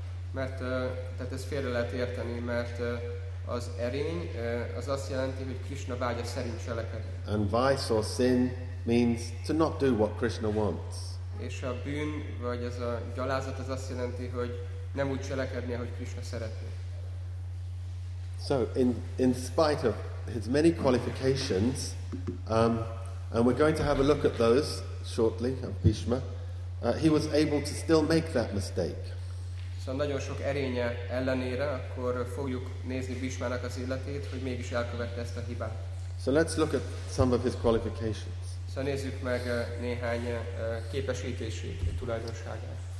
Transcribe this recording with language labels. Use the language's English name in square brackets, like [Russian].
[Hungarian] Mert tehát ez félre lehet érteni, mert az erény az azt jelenti, hogy Krishna vágya szerint cselekedik. [English] And vice or sin means to not do what Krishna wants. [Hungarian] És a bűn vagy ez a gyalázat az azt jelenti, hogy nem úgy cselekedni, ahogy Krishna szeretné. [English] So in spite of his many qualifications, and we're going to have a look at those shortly, of Bhishma, he was able to still make that mistake. [Hungarian] So, nagyon sok erénye ellenére, akkor fogjuk nézni Bhishmának az életét, hogy mégis elkövette ezt a hibát. [English] So let's look at some of his qualifications. [Hungarian] So nézzük meg néhány képesítési tulajdonságát.